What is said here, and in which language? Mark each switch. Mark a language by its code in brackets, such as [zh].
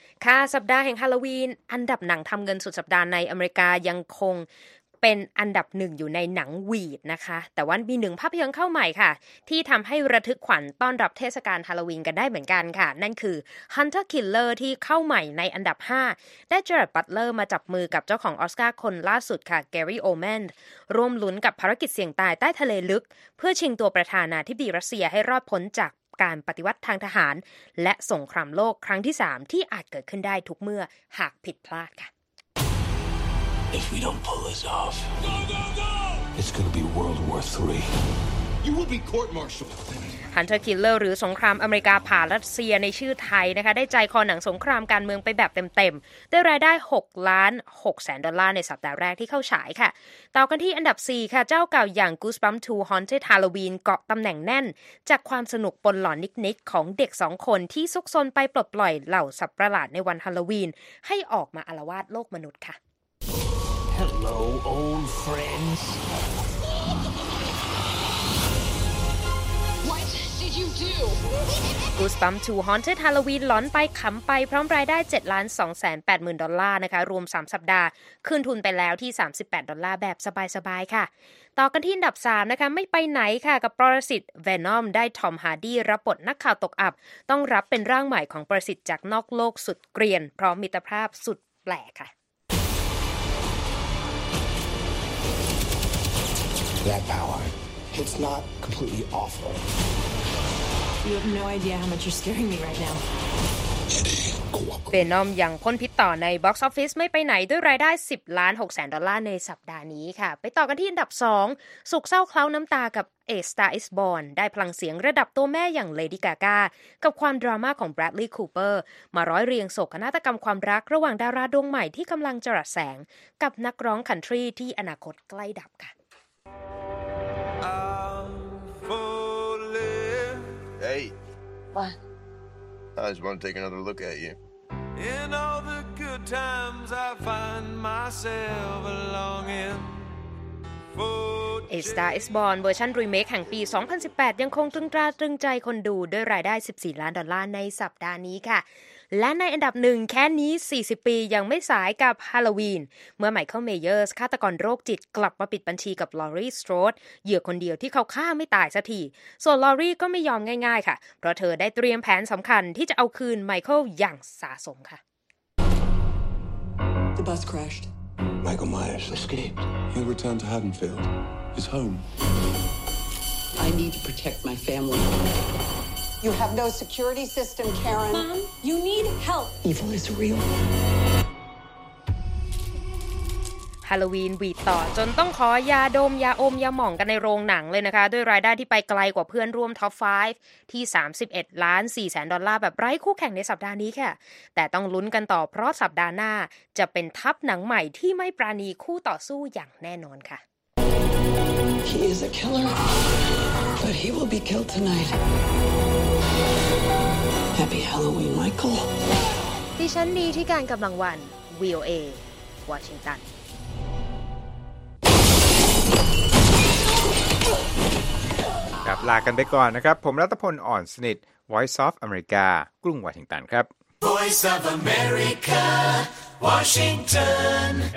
[th] ค่ะสัปดาห์แห่งฮาโลวีนอันดับหนังทำเงินสุดสัปดาห์ในอเมริกายังคงเป็นอันดับหนึ่งอยู่ในหนังวีดนะคะแต่ว่ามีหนึ่งภาพยนตร์เข้าใหม่ค่ะที่ทำให้ระทึกขวัญต้อนรับเทศกาลฮาโลวีนกันได้เหมือนกันค่ะนั่นคือ Hunter Killer ที่เข้าใหม่ในอันดับ5ได้เจอร์ดบัตเลอร์มาจับมือกับเจ้าของออสการ์คนล่าสุดค่ะแกรี่โอแมนร่วมลุ้นกับภารกิจเสี่ยงตายใต้ทะเลลึกเพื่อชิงตัวประธานาธิบดีรัสเซียให้รอดพ้นจาก การปฏิวัติทางทหารและสงครามโลกครั้งที่3ที่อาจเกิดขึ้นได้ทุกเมื่อหากผิดพลาดค่ะ [en] If we don't pull this off It's going to be World War 3 You will be court-martialed [th] Hunter Killer หรือสงครามอเมริกาผ่ารัสเซียในชื่อไทยนะคะได้ใจคอหนังสงครามการเมืองไปแบบเต็มๆได้รายได้$6,600,000ในสัปดาห์แรกที่เข้าฉายค่ะต่อกันที่อันดับ4ค่ะเจ้าเก่าอย่าง Goosebumps 2 Haunted Halloween เกาะตำแหน่งแน่นจากความสนุกปนหลอนนิดๆของเด็ก2คนที่ซุกซนไปปลดปล่อยเหล่าสัตว์ประหลาดในวันฮาโลวีนให้ออกมาอาละวาดโลกมนุษย์ค่ะ [en] Hello old friends [th] Goosebumps 2 Haunted Halloween หลอนไปขำไปพร้อมรายได้$7,280,000นะคะรวม3สัปดาห์ขึ้นทุนไปแล้วที่$38แบบสบายๆค่ะต่อกันที่อันดับ3นะคะไม่ไปไหนค่ะกับปรสิต Venom ได้ทอมฮาร์ดีรับบทนักข่าวตกอับต้องรับเป็นร่างใหม่ของปรสิตจากนอกโลกสุดเกรียนพร้อมมิตรภาพสุดแปลกค่ะ [en] That power it's not completely awful You have no idea how much you're scaring me right now. [th] Venom ยังพ่นพิษต่อใน Box Office ไม่ไปไหนด้วยรายได้$10,600,000ในสัปดาห์นี้ค่ะไปต่อกันที่อันดับ2สุขเศร้าเคล้าน้ำตากับA Star Is Born ได้พลังเสียงระดับตัวแม่อย่าง Lady Gaga กับความดราม่าของ Bradley Cooper มาร้อยเรียงโศกนาฏกรรมความรักระหว่างดาราดวงใหม่ที่กำลังจรัสแสงกับนักร้องคันทรีที่อนาคตใกล้ดับค่ะ [en] I just want to take another look at you. In all the good times, I find myself longing for [th] A Star Is Born เวอร์ชันรีเมคแห่งปี2018ยังคงตรึงตราตรึงใจคนดูด้วยรายได้$14,000,000ในสัปดาห์นี้ค่ะและในอันดับ1แค่นี้40ปียังไม่สายกับฮาโลวีนเมื่อไมเคิลเมเยอร์สฆาตกรโรคจิตกลับมาปิดบัญชีกับลอรีสโตรดเหยื่อคนเดียวที่เขาฆ่าไม่ตายสักทีส่วนลอรีก็ไม่ยอมง่ายๆค่ะเพราะเธอได้เตรียมแผนสำคัญที่จะเอาคืนไมเคิลอย่างสาสมค่ะ [en] The bus crashed. Michael Myers escaped. He'll return to Haddonfield, his home. I need to protect my family. You have no security system, Karen. Mom, you need help. Evil is real. [th] ฮาโลวีนวีต่อจนต้องขอยาดมยาอมยาหม่องกันในโรงหนังเลยนะคะด้วยรายได้ที่ไปไกลกว่าเพื่อนร่วมท็อป5ที่$31,400,000แบบไร้คู่แข่งในสัปดาห์นี้ค่ะแต่ต้องลุ้นกันต่อเพราะสัปดาห์หน้าจะเป็นทัพหนังใหม่ที่ไม่ปราณีคู่ต่อสู้อย่างแน่นอนค่ะ [en] He is a killer but he will be killed tonight Happy Halloween Michael [th] ดิฉันดีที่การกำลังวัน VOA Washington กลับลากันไปก่อนนะครับผมรัตพลอ่อนสนิท Voice of America กรุงวอชิงตันครับ [en] Voice of America Washington